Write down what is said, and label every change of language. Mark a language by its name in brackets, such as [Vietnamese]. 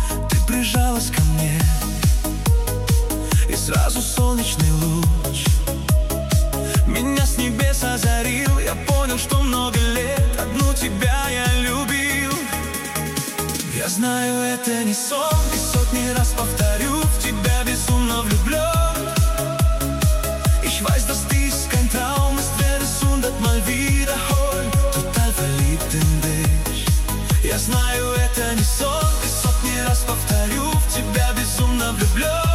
[Russian] Ты прижалась ко мне, и сразу солнечный луч меня с небес озарил. Я понял, что много лет одну тебя я любил. Я знаю, это не сон, и сотни раз повторю, в тебя безумно влюблен. [German] Ich weiß, dass dies kein Traum ist, werde es hundert Mal wiederholen. Total verliebt in dich. [Russian] Я знаю, это не сон, и сотни раз повторю, в тебя безумно влюблен.